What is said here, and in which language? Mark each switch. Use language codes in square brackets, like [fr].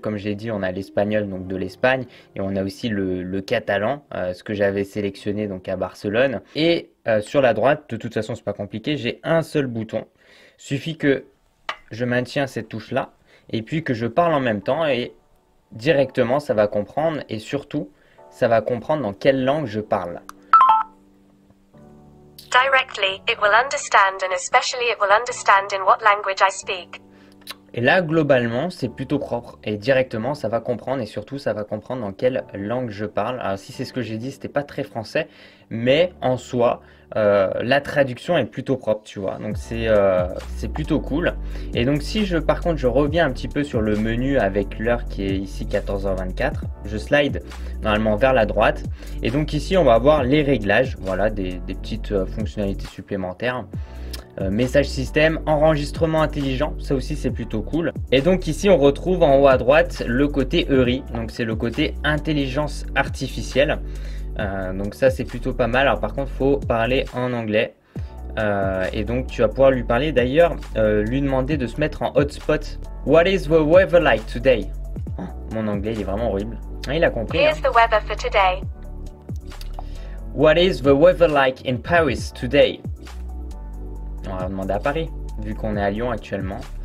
[fr] Comme j'ai dit, on a l'espagnol donc de l'Espagne et on a aussi le catalan, ce que j'avais sélectionné donc à Barcelone. Et sur la droite, de toute façon c'est pas compliqué, j'ai un seul bouton. Suffit que je maintiens cette touche là et puis que je parle en même temps et directement ça va comprendre et surtout ça va comprendre dans quelle langue je parle. [en] Directly, it will understand and especially it will understand in what language I speak. [fr] Et là, globalement, c'est plutôt propre et directement, ça va comprendre et surtout, ça va comprendre dans quelle langue je parle. Alors, si c'est ce que j'ai dit, c'était pas très français, mais en soi, la traduction est plutôt propre, tu vois. Donc, c'est plutôt cool. Et donc, si je, par contre, je reviens un petit peu sur le menu avec l'heure qui est ici 14h24, je slide normalement vers la droite. Et donc, ici, on va avoir les réglages, voilà, des petites fonctionnalités supplémentaires. Message système, enregistrement intelligent, ça aussi c'est plutôt cool. Et donc ici on retrouve en haut à droite le côté Eury, donc c'est le côté intelligence artificielle. Donc ça c'est plutôt pas mal, alors par contre faut parler en anglais. Et donc tu vas pouvoir lui parler d'ailleurs, lui demander de se mettre en hotspot. [en] What is the weather like today? [fr] Oh, mon anglais il est vraiment horrible. Ah, il a compris. [en] Here's the weather for today. What is the weather like in Paris today? [fr] On va demander à Paris, vu qu'on est à Lyon actuellement.